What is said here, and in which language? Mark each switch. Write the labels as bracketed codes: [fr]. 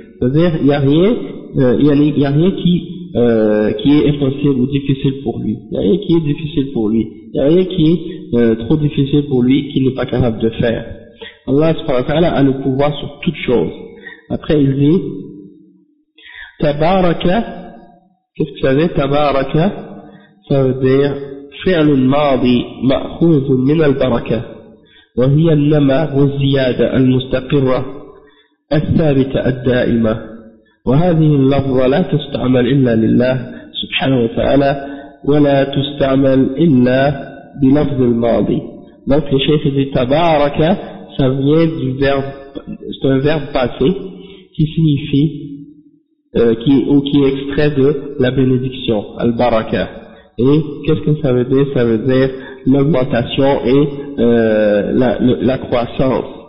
[fr] C'est-à-dire il n'y a rien qui est impossible ou difficile pour lui. Il n'y a rien qui est difficile pour lui. Il n'y a rien qui est trop difficile pour lui qu'il n'est pas capable de faire. Allah subhanahu wa ta'ala a le pouvoir sur toute chose. Après il dit تَبَارَكَ. Qu'est-ce que ça veut تَبَارَكَ? Ça veut dire [ar] فعل الماضي مأخوذ من البركة وهي النمى والزيادة المستقرة الثابتة الدائمة وهذه اللفظة لا تستعمل إلا لله سبحانه وتعالى ولا تستعمل إلا بلفظ الماضي. [fr] Donc le cheikh dit تبارك, ça vient du verbe, c'est un verbe passé qui signifie qui est extrait de la bénédiction al-baraka. Et qu'est-ce que ça veut dire? Ça veut dire l'augmentation et la croissance.